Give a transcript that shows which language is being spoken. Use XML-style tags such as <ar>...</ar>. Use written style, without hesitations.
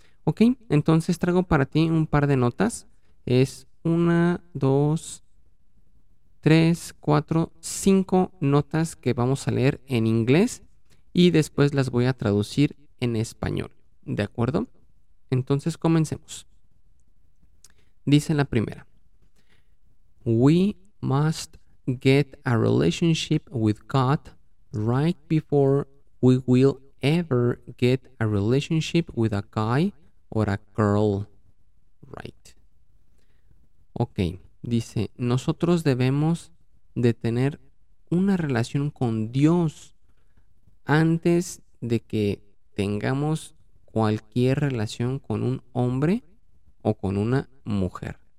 <es>Ok, entonces traigo para ti un par de notas. Es 1, 2, 3, 4, 5 notas que vamos a leer en inglés y después las voy a traducir en español. ¿De acuerdo? Entonces comencemos. Dice la primera:</es> <en>We must get a relationship with God right before we will ever get a relationship with a guy or a girl. Right.</en> <es>Ok, dice: nosotros debemos de tener una relación con Dios antes de que tengamos cualquier relación con un hombre o con una mujer.</es>